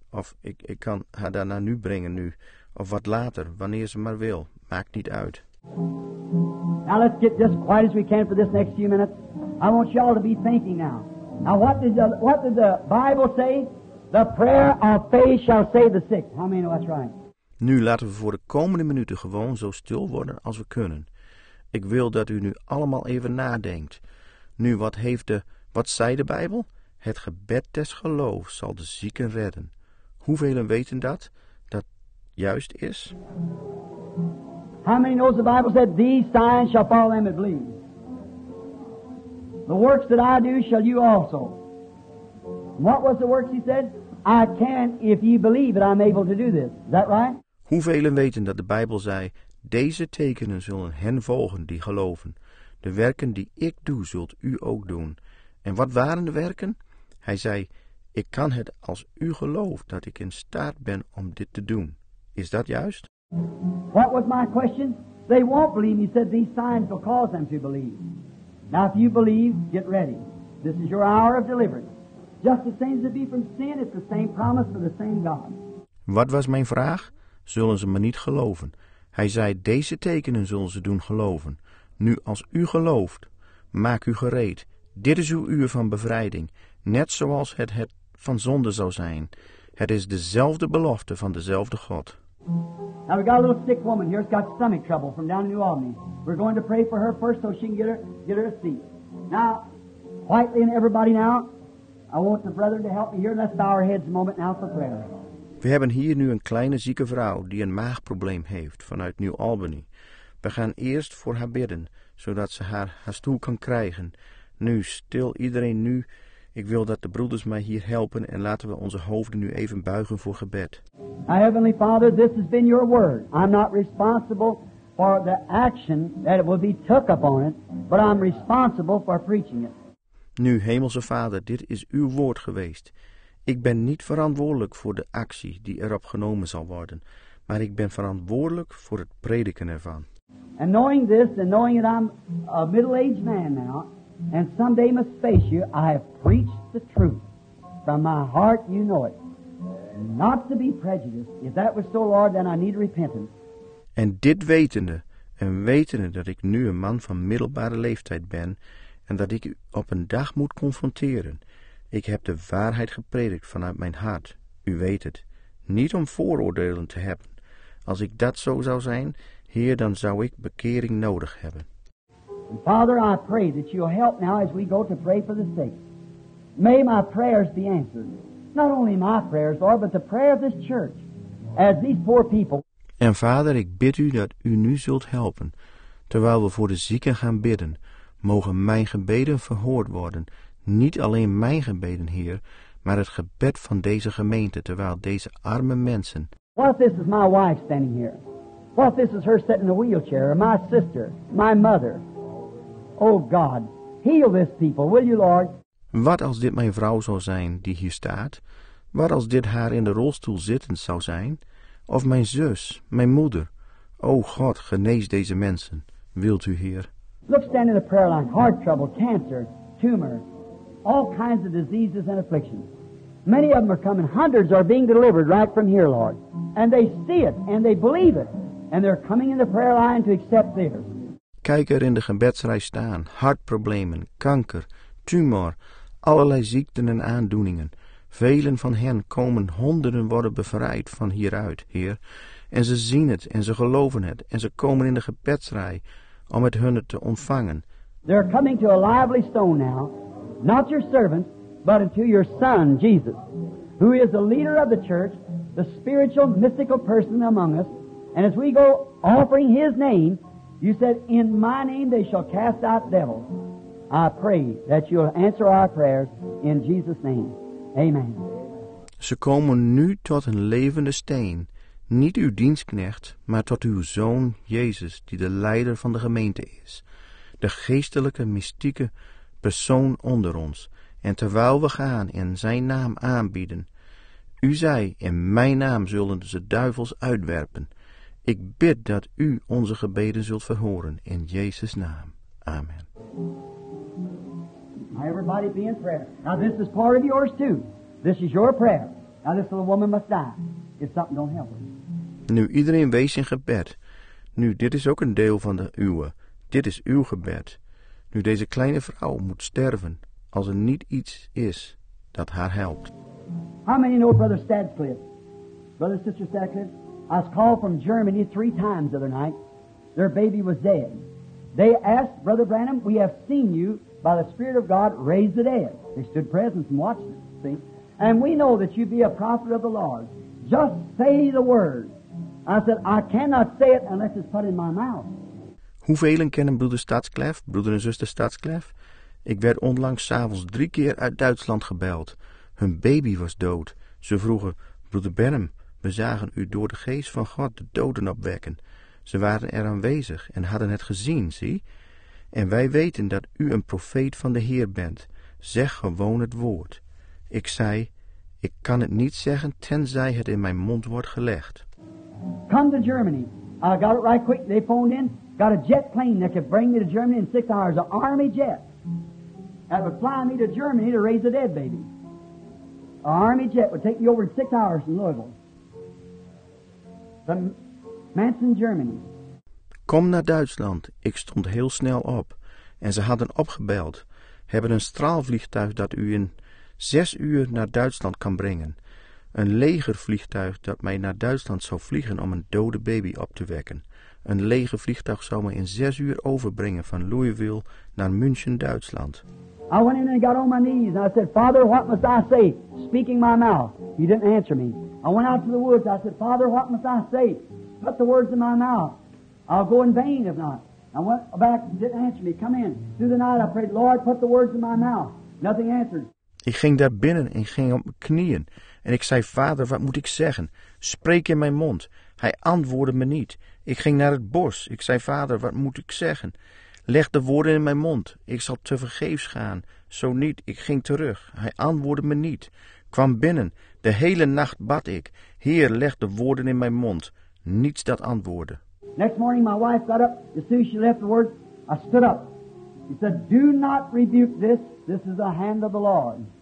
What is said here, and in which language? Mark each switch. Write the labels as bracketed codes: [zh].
[nl] Of ik kan haar daar naar nu brengen nu. Of wat later, wanneer ze maar wil. Maakt niet uit. [en] Now let's get just quiet as we can for this next few minutes. I want you all to be thinking now. Now what does the Bible say? The prayer of faith shall save the sick. How many know that's right? [nl] Nu laten we voor de komende minuten gewoon zo stil worden als we kunnen. Ik wil dat u nu allemaal even nadenkt. Nu, wat zei de Bijbel? Het gebed des geloofs zal de zieken redden. Hoeveel weten dat? Dat juist is? [en] How many knows the Bible said, these signs shall follow them that believe? The works that I do shall you also. What was the works he said? I can, if ye believe that I'm able to do this. Is that right? [nl] Hoeveel weten dat de Bijbel zei, deze tekenen zullen hen volgen die geloven. De werken die ik doe, zult u ook doen. En wat waren de werken? Hij zei, ik kan het als u gelooft dat ik in staat ben om dit te doen. Is dat juist? [en] What was my question? They won't believe. He said, these signs will cause them to believe. Now, if you believe, get ready. This is your hour of deliverance. Just the same as it be from sin, it's the same promise for the same God. [nl] Wat was mijn vraag? Zullen ze me niet geloven? Hij zei, deze tekenen zullen ze doen geloven. Nu, als u gelooft, maak u gereed. Dit is uw uur van bevrijding, net zoals het van zonde zou zijn. Het is dezelfde belofte van dezelfde God. [en] Now we got a little sick woman here. She's got stomach trouble from down in New Albany. We're going to pray for her first so she can get her a seat. Now, quietly and everybody now, I want the brethren to help me here. Let's bow our heads a moment now for prayer. [nl] We hebben hier nu een kleine zieke vrouw die een maagprobleem heeft vanuit New Albany. We gaan eerst voor haar bidden, zodat ze haar stoel kan krijgen. Nu, stil iedereen nu. Ik wil dat de broeders mij hier helpen en laten we onze hoofden nu even buigen voor gebed. [en] Now, Heavenly Father, this has been your word. I'm not responsible for the action that it will be took upon it, but I'm responsible for preaching it. [nl] Nu, Hemelse Vader, dit is uw woord geweest. Ik ben niet verantwoordelijk voor de actie die erop genomen zal worden, maar ik ben verantwoordelijk voor het prediken ervan. [en] And knowing this, and knowing that I'm a middle-aged man now, and someday must face you, I have preached the truth. From my heart, you know it. Not to be prejudiced. If that was so, Lord, then I need repentance. [nl] En dit wetende, en wetende dat ik nu een man van middelbare leeftijd ben, en dat ik u op een dag moet confronteren. Ik heb de waarheid gepredikt vanuit mijn hart. U weet het. Niet om vooroordelen te hebben. Als ik dat zo zou zijn, Heer, dan zou ik bekering nodig hebben. [en] And Father, I pray that you'll help now as we go to pray for the sick. May my prayers be answered. Not only my prayers, Lord, but the prayer of this church as these poor people. [nl] En Vader, ik bid u dat u nu zult helpen. Terwijl we voor de zieken gaan bidden, mogen mijn gebeden verhoord worden. Niet alleen mijn gebeden, Heer, maar het gebed van deze gemeente, terwijl deze arme mensen. [en] What if this is my wife standing here? What if this is her sitting in a wheelchair? Or my sister, my mother. Oh God, heal this people, will you, Lord? [nl] Wat als dit mijn vrouw zou zijn die hier staat? Wat als dit haar in de rolstoel zittend zou zijn? Of mijn zus, mijn moeder? O God, genees deze mensen, wilt u, Heer? [en] Look, stand in the prayer line. Heart trouble, cancer, tumor, all kinds of diseases and afflictions. Many of them are coming. Hundreds are being delivered right from here, Lord. And they see it and they believe it. And they're coming in the prayer line to accept theirs. [nl] Kijk er in de gebedsrij staan. Hartproblemen, kanker, tumor, allerlei ziekten en aandoeningen. Velen van hen komen, honderden worden bevrijd van hieruit, Heer. En ze zien het en ze geloven het. En ze komen in de gebedsrij om het hunne te ontvangen. [en] They're coming to a lively stone now. Not your servant, but unto your son, Jesus, who is the leader of the church, the spiritual, mystical person among us. And as we go offering his name, you said, in my name they shall cast out devils. I pray that you'll answer our prayers in Jesus' name. Amen. [nl] Ze komen nu tot een levende steen, niet uw dienstknecht, maar tot uw zoon Jezus, die de leider van de gemeente is, de geestelijke, mystieke persoon onder ons. En terwijl we gaan in zijn naam aanbieden, u zei, in mijn naam zullen ze duivels uitwerpen. Ik bid dat u onze gebeden zult verhoren in Jezus' naam. Amen. [en] May everybody be in prayer. Now this is part of yours too. This is your prayer. Now this little woman must die. If something don't help her. [nl] Nu iedereen wees in gebed. Nu dit is ook een deel van de uwe. Dit is uw gebed. Nu deze kleine vrouw moet sterven als er niet iets is dat haar helpt. [en] How many know Brother Stadcliffe? Brother Sister Stadcliffe? I was called from Germany three times the other night. Their baby was dead. They asked, Brother Branham, we have seen you by the Spirit of God raise the dead. They stood present and watched it, see? And we know that you be a prophet of the Lord. Just say the word. I said, I cannot say it unless it's put in my mouth. [nl] Hoeveelen kennen broeder Staatsklef, broeder en zuster Staatsklef? Ik werd onlangs 's avonds drie keer uit Duitsland gebeld. Hun baby was dood. Ze vroegen, Brother Branham, we zagen u door de geest van God de doden opwekken. Ze waren er aanwezig en hadden het gezien, zie. En wij weten dat u een profeet van de Heer bent. Zeg gewoon het woord. Ik zei, ik kan het niet zeggen tenzij het in mijn mond wordt gelegd. [en] Come to Germany. I got it right quick. They phoned in. Got a jet plane that could bring me to Germany in 6 hours. An army jet. That would fly me to Germany to raise a dead baby. An army jet would take me over in 6 hours in Louisville. Manson, Germany. [nl] Kom naar Duitsland. Ik stond heel snel op. En ze hadden opgebeld. Hebben een straalvliegtuig dat u in 6 uur naar Duitsland kan brengen. Een legervliegtuig dat mij naar Duitsland zou vliegen om een dode baby op te wekken. Een legervliegtuig zou me in 6 uur overbrengen van Louisville naar München, Duitsland. [en] I went in and got on my knees and I said, Father, what must I say? Speaking my mouth. He didn't answer me. I went out to the woods. I said, Father, what must I say? Put the words in my mouth. I'll go in vain if not. I went back, didn't answer me. Come in. Through the night I prayed, Lord, put the words in my mouth. Nothing answered. [nl] Ik ging daar binnen en ging op mijn knieën. En ik zei, Vader, wat moet ik zeggen? Spreek in mijn mond. Hij antwoordde me niet. Ik ging naar het bos. Ik zei, Vader, wat moet ik zeggen? Leg de woorden in mijn mond. Ik zal tevergeefs gaan. Zo niet. Ik ging terug. Hij antwoordde me niet. Kwam binnen. De hele nacht bad ik. Heer, leg de woorden in mijn mond. Niets dat antwoordde. [en] Next morning my wife got up. As soon as she left the word, I stood up. She said, do not rebuke this. This is the hand of the Lord.